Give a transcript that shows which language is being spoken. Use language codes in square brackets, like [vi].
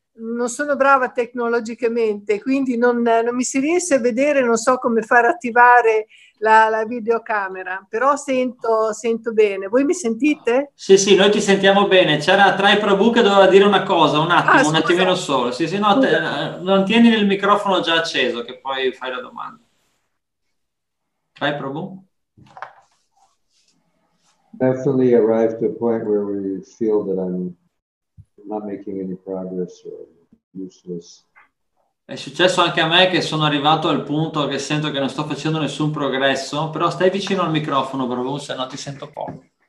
[it] non sono brava tecnologicamente, quindi non mi si riesce a vedere, non so come far attivare la videocamera, però sento bene. Voi mi sentite? Sì, sì, noi ti sentiamo bene. C'era tra i probu che doveva dire una cosa, un attimo, un attimino solo. Sì, sì, no, non tieni il microfono già acceso, che poi fai la domanda. Tra i probu? [en] Definitely arrived to a point where we feel that I'm not making any progress or useless. [it] È successo anche a me che sono arrivato al punto che sento che non sto facendo nessun progresso, però stai vicino al microfono, bravo, se no ti sento poco.